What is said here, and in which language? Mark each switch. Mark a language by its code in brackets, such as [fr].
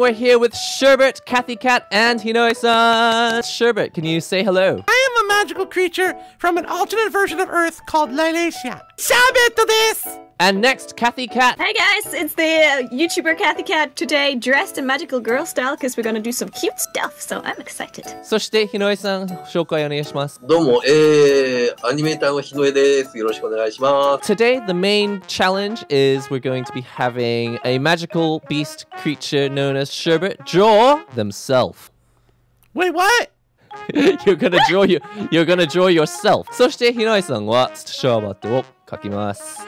[en] We're here with Sherbert, Kathy Cat, and Hinoe-san. Sherbert, can you say hello? I am a magical creature from an alternate version of Earth called Lilacia. Sherbert to this! And next, Kathy Cat. Hey guys, it's the YouTuber Kathy Cat today, dressed in magical girl style, because we're gonna do some cute stuff, so I'm excited. [ja] そして、ヒノエさん、紹介お願いします。どうも、アニメーターのヒノエです。よろしくお願いします。 [en] Today, the main challenge is we're going to be having a magical beast creature known as Sherbert draw themselves. Wait, what? You're gonna draw yourself. [ja] そして、ヒノエさんは、ショーバットを描きます。